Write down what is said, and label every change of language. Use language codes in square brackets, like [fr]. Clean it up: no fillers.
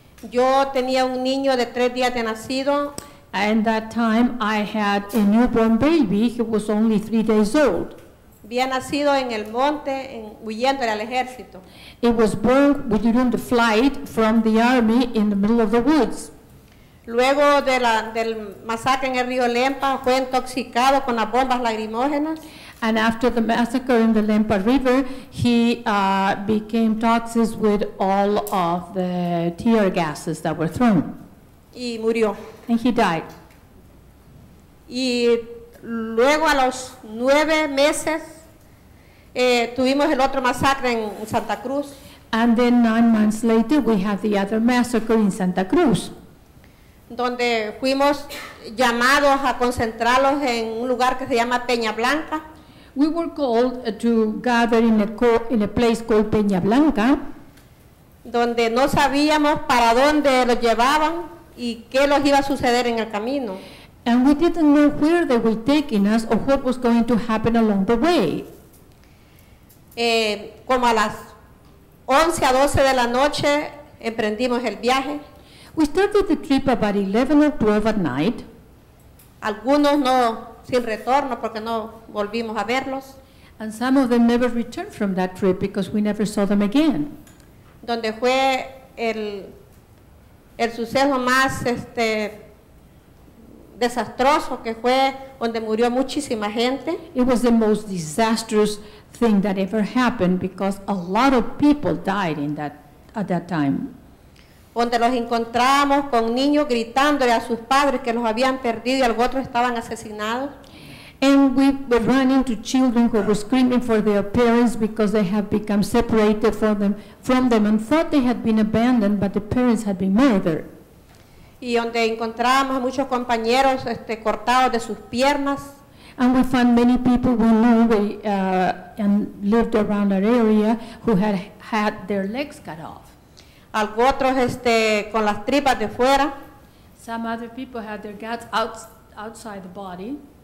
[es] Yo tenía un niño de 3 días de nacido. [en] And that time I had a newborn baby. He was only 3 days old. [es] Había nacido en el monte, huyendo del ejército. [en] He was born during the flight from the army in the middle of the woods. [es] Luego del masacre en el río Lempa, fue intoxicado con las bombas lacrimógenas. [en] And after the massacre in the Lempa River, he became toxic with all of the tear gases that were thrown. [es] Y murió. [en] And he died. [es] Y luego a los 9 meses, tuvimos el otro masacre en Santa Cruz. [en] And then 9 months later, we have the other massacre in Santa Cruz. [es] Donde fuimos llamados a concentrarlos en un lugar que se llama Peña Blanca. [en] We were called to gather in a place called Peña Blanca. [es] Donde no sabíamos para dónde los llevaban y qué los iba a suceder en el camino. [en] And we didn't know where they were taking us or what was going to happen along the way. [es] Como a las 11 a 12 de la noche emprendimos el viaje. [en] We started the trip about 11 or 12 at night. [es] Algunos no, sin retorno porque no volvimos a verlos. [en] And some of them never returned from that trip because we never saw them again. [es] Donde fue el suceso más desastroso que fue donde murió muchísima gente. [en] It was the most disastrous thing that ever happened because a lot of people died at that time. [es] Donde los encontrábamos con niños gritándole a sus padres que los habían perdido y algunos otros estaban asesinados. [en] And we were running to children who were screaming for their parents because they had become separated from them and thought they had been abandoned, but the parents had been murdered. [es] Y donde encontrábamos a muchos compañeros cortados de sus piernas. [en] And we found many people we knew and lived around our area who had had their legs cut off. [es] Algunos otros con las tripas de fuera. [en] Some other people had their guts outside the body.